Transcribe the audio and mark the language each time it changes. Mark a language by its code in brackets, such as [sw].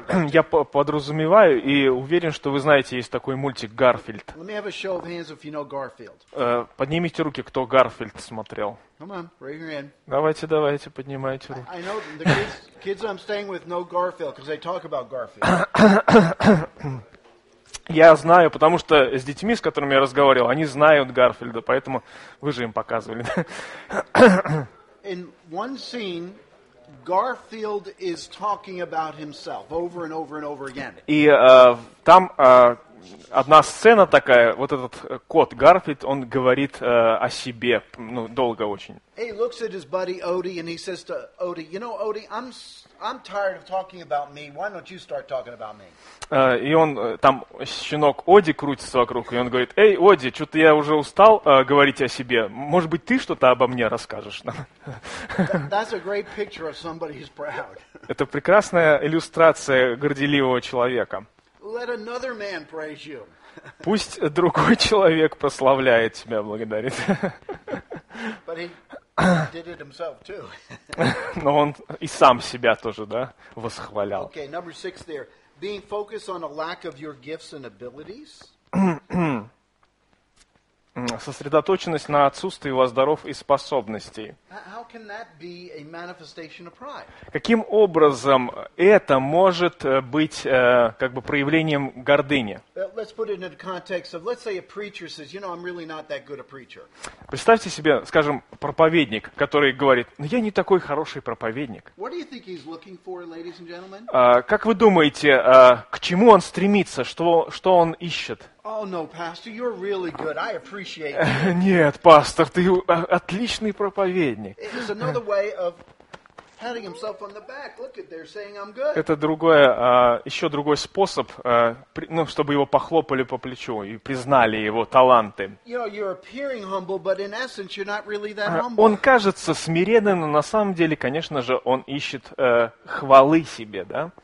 [ru] Я подразумеваю и уверен, что вы знаете, есть такой мультик Гарфилд. [en] Let me have a show of hands if you know Garfield. [ru] Поднимите руки, кто Гарфилд смотрел. [en] Come on, raise your hand. [ru] Давайте, давайте, поднимайте руки. [en] I know the kids I'm staying with know Garfield because they talk about Garfield. [ru] Я знаю, потому что с детьми, с которыми я разговаривал, они знают Гарфилда, поэтому вы же им показывали. [en] In one scene, Garfield is talking about himself over and over and over again. [ru] И там одна сцена такая, вот этот кот Гарфилд, он говорит о себе, ну, долго очень. [en] He looks at his buddy Odie and he says to Odie, "You know, Odie, I'm tired of talking about me. Why don't you start talking about me?" [ru] И он, там щенок Оди крутится вокруг, и он говорит, «Эй, Оди, что-то я уже устал говорить о себе. Может быть, ты что-то обо мне расскажешь нам?» [en] That's a great picture of somebody who's proud. [ru] Это прекрасная иллюстрация горделивого человека. [en] Let another man praise you. [ru] Пусть другой человек прославляет тебя, благодарит. [en] But he did it himself too. [ru] Но он и сам себя тоже, да, восхвалял. [en] Okay, number six there. Being focused on a lack of your gifts and abilities. [ru] Сосредоточенность на отсутствии у вас даров и способностей. [en] How can that be a manifestation of pride? [ru] Каким образом это может быть как бы проявлением гордыни? [en] Let's put it in the context of, let's say a preacher says, you know, I'm really not that good a preacher. [ru] Представьте себе, скажем, проповедник, который говорит, ну я не такой хороший проповедник. [en] What do you think he's looking for, ladies and gentlemen? [ru] Как вы думаете, к чему он стремится, что он ищет? [en] Oh no, pastor, you're really good. I appreciate you. [ru] Нет, пастор, ты отличный проповедник. [en] It's another way of patting himself on the back. Look at they're saying I'm good. [ru] Это другое, еще другой способ, ну, чтобы его похлопали по плечу и признали его таланты. [en] You know, you're appearing humble, but in essence you're not really that humble. [ru] Он кажется смиренным, но на самом деле, конечно же, он ищет хвалы себе, да?